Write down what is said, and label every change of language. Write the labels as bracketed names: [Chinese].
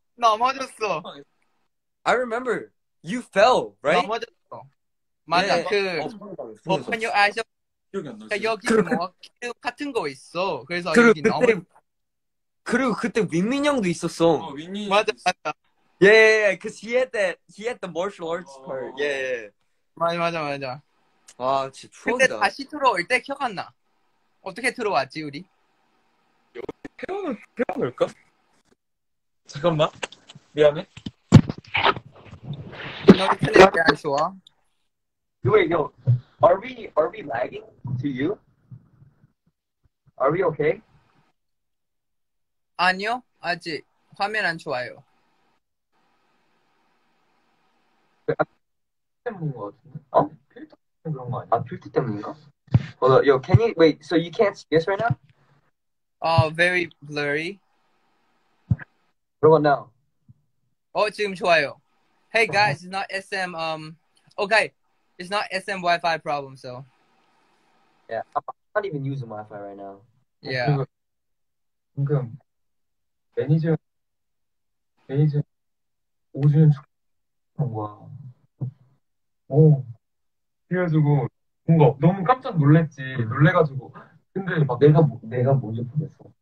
[Korean] 넘어졌어. [English] I remember you fell, right? [Korean] 넘어졌어. 맞아 네. 그 오픈 요 아이즈. 여기 뭐 기름 같은 거 있어. 그래서 여기 넘어. 그리고 그때 윈민 형도 있었어. 어, 윈민 맞아. [English] Yeah, cause he had the martial arts part. Oh. Yeah. [Korean] 맞아. 와 진짜 추억이다. 그때 다시 들어올 때 기억 안 나. 어떻게 들어왔지 우리? 여기 태어날까? 잠깐만. 미안해. 너 인터넷이 안 좋아. [English] Wait, yo. Are we lagging to you? Are we okay? [Korean] 아니요. 아직 화면 안 좋아요. 때문인 것 같은데? 어? 필터 때문인 것 같은데? 아, 필터 때문인가? [English] Hold on, yo, can you, wait, so you can't see us right now? Oh, very blurry. What about now? [Korean] Oh, 지금 좋아요. [English] Hey, guys, it's not SM, okay, it's not SM Wi-Fi problem, so. Yeah, I'm not even using Wi-Fi right now. Yeah. [Korean] 지금, 매니저, 5주년 축하한 거야. 오, 그래가지고 뭔가 너무 깜짝 놀랬지. 놀래가지고 근데 막 내가 먼저 보냈어.